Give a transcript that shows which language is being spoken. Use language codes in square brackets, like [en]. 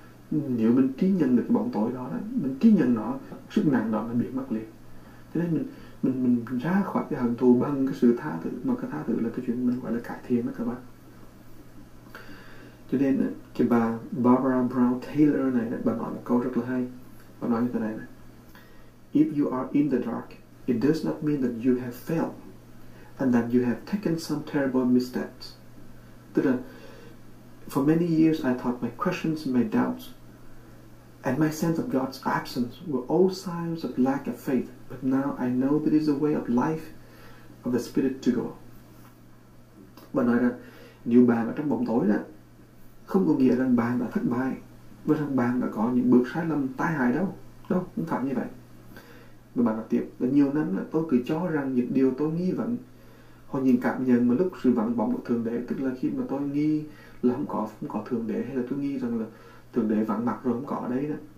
[vi] Nếu mình trí nhận được cái bóng tối đó, mình trí nhận nó, sức nặng đó nó biến mất liền. Thế nên mình ra khỏi cái hận thù bằng cái sự tha thứ, mà cái tha thứ là cái chuyện mình gọi là cải thiện đó các bạn. Cho nên cái bà Barbara Brown Taylor này, bà nói một câu rất là hay. Bà nói như thế này này: [en] if you are in the dark, it does not mean that you have failed and that you have taken some terrible missteps. [vi] Tức là, [en] for many years I thought my questions, my doubts, and my sense of God's absence were all signs of lack of faith. But now I know that it is a way of life, of the spirit to go. [vi] Bà nói rằng, nếu bạn ở trong bóng tối đó, không có nghĩa rằng bạn đã thất bại, và rằng bạn đã có những bước sai lầm tai hại đâu. Đâu, không phải như vậy. Và bạn nói tiếp, là nhiều năm là tôi cứ cho rằng những điều tôi nghi vấn, hoặc những cảm nhận mà lúc sự vắng bóng của Thượng Đế, tức là khi mà tôi nghi là không có Thượng Đế, hay là tôi nghi rằng là Thượng Đế vắng mặt rồi không có ở đây đó.